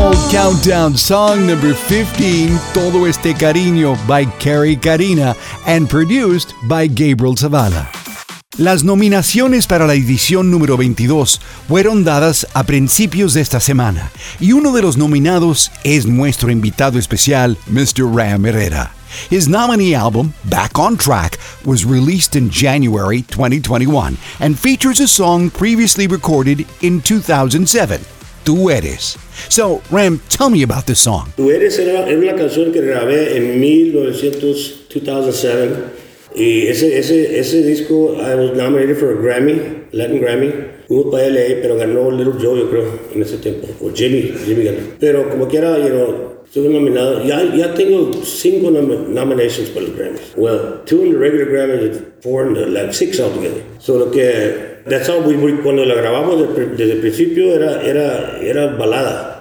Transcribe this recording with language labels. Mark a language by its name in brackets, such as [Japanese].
[English] Countdown song number 15, Todo Este Cariño by Carrie Carina and produced by Gabriel Zavala. [Spanish] Las nominaciones para la edición número 22 fueron dadas a principios de esta semana y uno de los nominados es nuestro invitado especial, Mr. Ram Herrera. [English] His nominee album, Back on Track, was released in January 2021 and features a song previously recorded in 2007. Tú Eres. So, Ram, tell me about this song. [Spanish] Tú Eres era una canción que grabé en 1900, 2007. Y ese disco, [English] I was nominated for a Grammy, Latin Grammy. [Spanish] Hubo para LA, pero ganó Little Joe, yo creo, en ese tiempo. O Jimmy ganó. Pero como quiera, [English] you know, [Spanish] estuve nominado. Ya tengo [English] 5 nominations [Spanish] para los Grammys. [English] Well, 2 in the regular Grammys, 4 in the Latin, 6 altogether. So, [Spanish] lo que [English] That song, we [Spanish] cuando la grabamos desde el principio era balada.